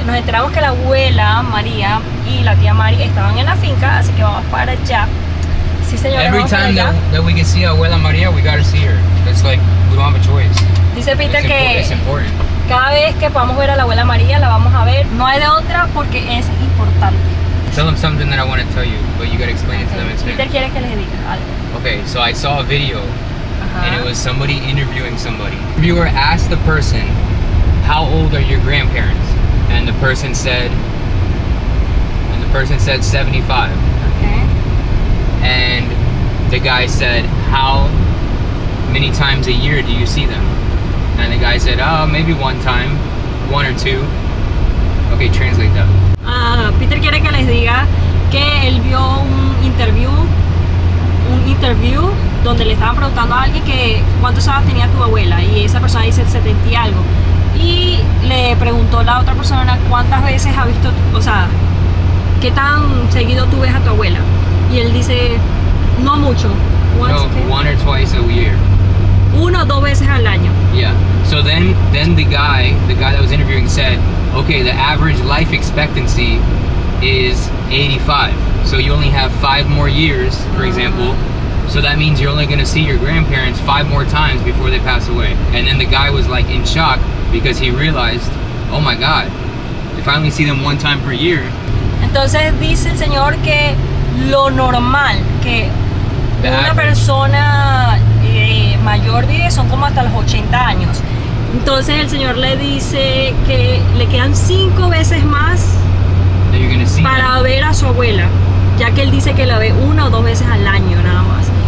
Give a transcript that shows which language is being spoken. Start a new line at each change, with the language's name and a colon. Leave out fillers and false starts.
Spanish: Nos enteramos que la abuela María y la tía Mari estaban en la finca, así que vamos para allá. Sí, señora.
English: Every time that we can see Abuela María, we gotta see her. It's like, we don't have a choice.
Spanish: Dice Peter que cada vez que podamos ver a la Abuela María, la vamos a ver. No hay de otra porque es importante.
English: Tell them something that I want to tell you, but you gotta explain it to them in Spanish.
Spanish: Peter quiere que les diga algo.
English: Okay, so I saw a video, and it was somebody interviewing somebody. The interviewer asked the person, how old are your grandparents? And the person said, 75. Okay. And the guy said, how many times a year do you see them? And the guy said, oh, maybe one time, one or two. Okay, translate that.
Spanish: Peter quiere que les diga que él vio un interview donde le estaban preguntando a alguien que cuántos años tenía tu abuela, y esa persona dice 70 y algo, y le preguntó la otra persona cuántas veces ha visto, o sea, qué tan seguido tú ves a tu abuela, y él dice no mucho.
English: No, one or twice a year.
Spanish: Uno o dos veces al año.
English: Yeah. So then the guy that was interviewing said, okay, the average life expectancy is 85. So you only have 5 more years, for example. So that means you're only gonna see your grandparents 5 more times before they pass away. And then the guy was like in shock because he realized, oh my God, if I only see them one time per year.
Spanish: Entonces dice el señor que lo normal que una persona mayor vive son como hasta los 80 años. Entonces el señor le dice que le quedan 5 veces más para ver a su abuela, ya que él dice que la ve una o dos veces al año nada más.